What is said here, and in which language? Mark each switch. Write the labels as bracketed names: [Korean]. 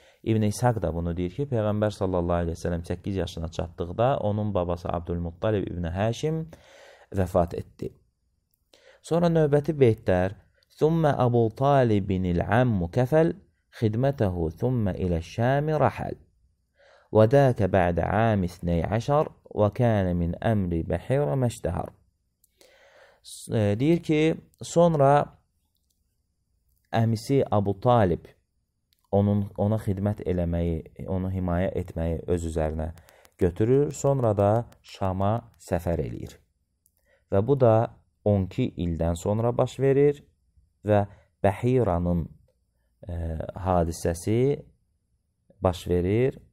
[Azerbaijani] İbn İshaq da bunu deyir ki, Peyğəmbər sallallahu aleyhi və səlləm 8 yaşına çatdıqda onun babası Abdülmuttalib ibn Həşim vəfat etdi. Sonra növbəti beytlər, [Arabic] Thummə Abu Talibin il-Əmmu kəfəl xidmətəhu thummə iləşşəmi rəhəl. وذاك بعد عام 12 وكان من امر بحيره ما اشتهر. [Azerbaijani] Deyir ki, sonra əmisi Abu Talib ona xidmət eləməyi, onu himayə etməyi öz üzərinə götürür, sonra da Şama səfər eləyir. Və bu da 12 ildən sonra baş verir və Bəhiranın hadisəsi baş verir.